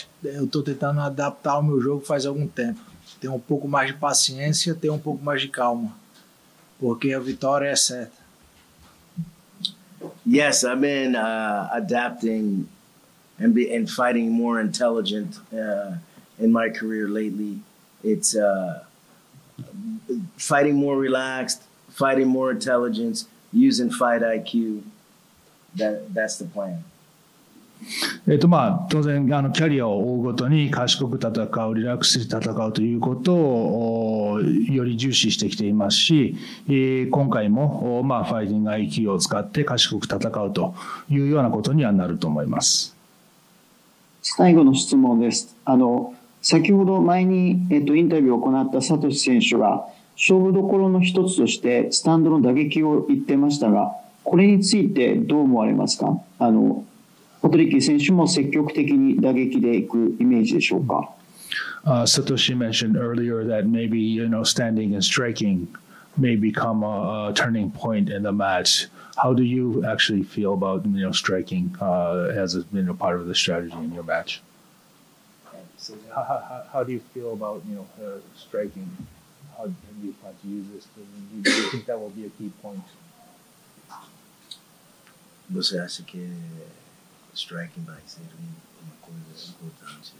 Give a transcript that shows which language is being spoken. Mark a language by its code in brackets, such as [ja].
[pt] Eu estou tentando adaptar o meu jogo faz algum tempo. Tenho um pouco mais de paciência, tenho um pouco mais de calma. Porque a vitória é certa. [en] Yes, I've been adapting and fighting more intelligent in my career lately. It's... fighting more relaxed, fighting more intelligence, using fight IQ. That's the plan. [ja] まあ、当然キャリアを追うごとに賢く戦う、リラックスして戦うということをより重視してきていますし、今回も、まあ、ファイティング IQ を使って賢く戦うというようなことにはなると思います。最後の質問です。先ほど前にインタビューを行ったサトシ選手が勝負どころの一つとしてスタンドの打撃を言ってましたが、これについてどう思われますか？パトリッキー選手も積極的に打撃でいくイメージでしょうか？ [en] Satoshi mentioned earlier that maybe, standing and striking may become a turning point in the match. How do you actually feel about, striking as a part of the strategy in your match? How do you feel about, striking? How do you plan to use this? Do you think that will be a key point? [pt] Você acha que striking vai ser uma coisa importante?